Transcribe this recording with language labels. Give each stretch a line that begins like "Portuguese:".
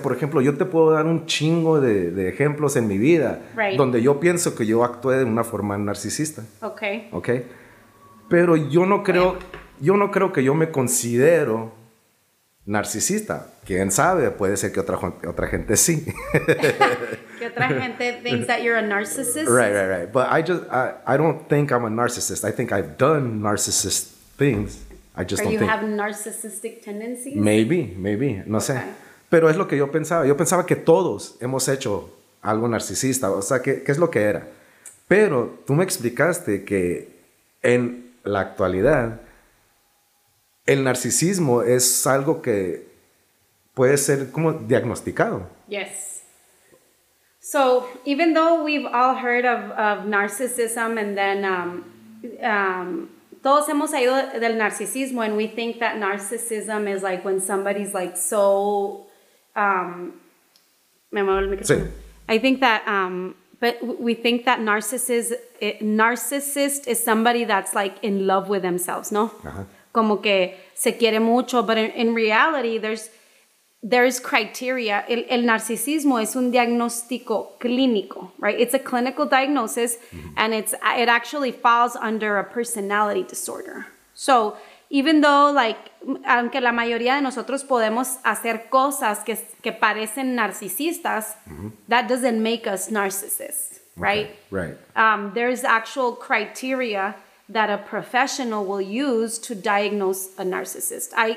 Spanish: Por ejemplo, yo te puedo dar un chingo de ejemplos en mi vida donde yo pienso que yo actué de una forma narcisista. Okay. Pero yo no creo que yo me considero narcisista. Quién sabe, puede ser que otra gente sí. Que otra gente
English: thinks that you're a narcissist. Right. But I don't think I'm a narcissist. I think I've done narcissist things. Have narcissistic tendencies?
Spanish: Maybe, no sé. Pero es lo que yo pensaba. Yo pensaba que todos hemos hecho algo narcisista. O sea, ¿qué es lo que era? Pero tú me explicaste que en la actualidad el narcisismo es algo que puede ser como diagnosticado.
English: Yes. So, even though we've all heard of narcissism and then...
Spanish: todos hemos salido del narcisismo,
English: and we think that narcissism is like when somebody's like so...
Spanish: me muevo el micrófono. Sí.
English: I think that... but we think that narcissist is somebody that's like in love with themselves, ¿no? Uh-huh.
Spanish: como que se quiere mucho,
English: but in reality, there's criteria.
Spanish: El narcisismo es un diagnóstico clínico, right?
English: It's a clinical diagnosis, mm-hmm. and it actually falls under a personality disorder. So, even though, like,
Spanish: aunque la mayoría de nosotros podemos hacer cosas que parecen narcisistas, mm-hmm.
English: that doesn't make us narcissists, right? Okay. Right. There's actual criteria that a professional will use to diagnose a narcissist.